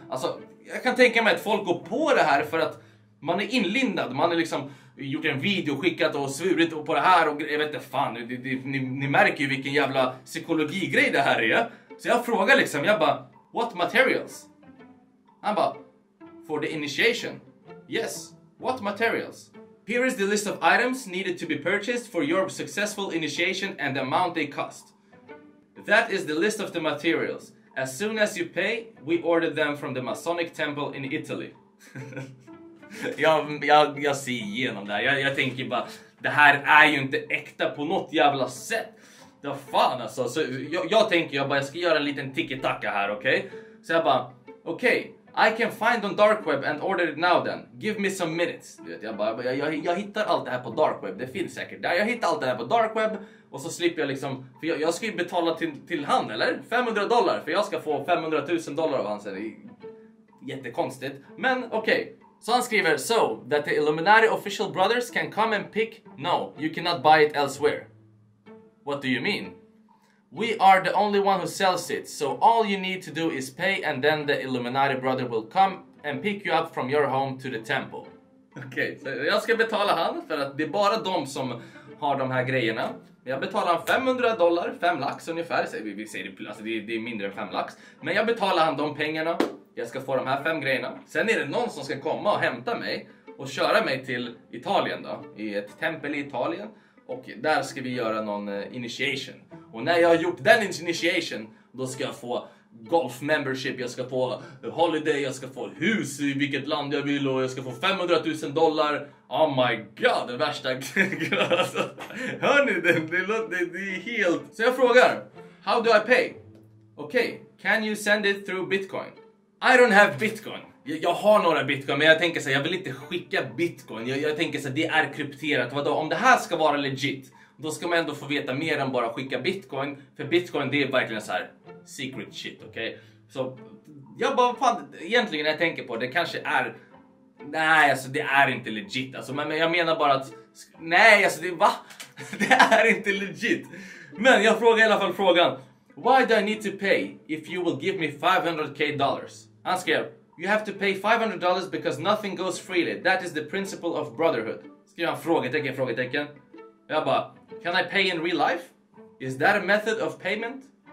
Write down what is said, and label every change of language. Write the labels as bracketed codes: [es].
[sv] Alltså jag kan tänka mig att folk går på det här för att man är inlindad, man är liksom gjort en video, skickat och svurit på det här och jag vet inte fan, ni märker ju vilken jävla psykologigrej det här är. Så jag frågar liksom, jag bara, [en] what materials? [sv] Han bara, [en] for the initiation? Yes, what materials? Here is the list of items needed to be purchased for your successful initiation and the amount they cost. That is the list of the materials. As soon as you pay, we order them from the Masonic Temple in Italy. [sv] Jag ser igenom det här. Jag tänker bara, det här är ju inte äkta på något jävla sätt. Det var fan alltså. Så jag tänker, jag bara, jag ska göra en liten tiki-taka här, okej? Okay? Så jag bara, okej, [en] okay, I can find on dark web and order it now then. Give me some minutes. [sv] Du vet, jag hittar allt det här på dark web. Det finns säkert där. Jag hittar allt det här på dark web. Och så slipper jag liksom, för jag ska ju betala till han, eller? $500, för jag ska få $500,000 av han sen. Jättekonstigt. Men okej. Okay. Så han skriver, [en] so that the Illuminati official brothers can come and pick, no, you cannot buy it elsewhere. What do you mean? We are the only one who sells it, so all you need to do is pay and then the Illuminati brother will come and pick you up from your home to the temple. [sv] Okej, okay, så jag ska betala han för att det är bara de som har de här grejerna. Jag betalar han $500, 5 lax ungefär, så vi säger det, alltså det är mindre än 5 lax. Men jag betalar han de pengarna. Jag ska få de här 5 grejerna. Sen är det någon som ska komma och hämta mig och köra mig till Italien då. I ett tempel i Italien. Och där ska vi göra någon initiation. Och när jag har gjort den initiation, då ska jag få golf membership. Jag ska få holiday. Jag ska få hus i vilket land jag vill. Och jag ska få $500,000. Oh my god, det värsta. Hör ni, det är helt. Så jag frågar, [en] how do I pay? Okay, can you send it through Bitcoin? I don't have bitcoin. [sv] Jag har några bitcoin, men jag tänker så här, jag vill inte skicka bitcoin. Jag tänker så här, det är krypterat. Vadå? Om det här ska vara legit, då ska man ändå få veta mer än bara skicka bitcoin. För bitcoin, det är verkligen så här secret shit, okej? Okay? Så jag bara, fan, egentligen när jag tänker på det, kanske är, nej, alltså det är inte legit. Alltså, men jag menar bara att, nej, alltså det är, va? Det är inte legit. Men jag frågar i alla fall frågan. [en] Why do I need to pay if you will give me $500,000? I'm scared. You have to pay $500 because nothing goes freely. That is the principle of brotherhood. [sv] Skriver han frågetecken. Jag bara, [en] can I pay in real life? Is that a method of payment?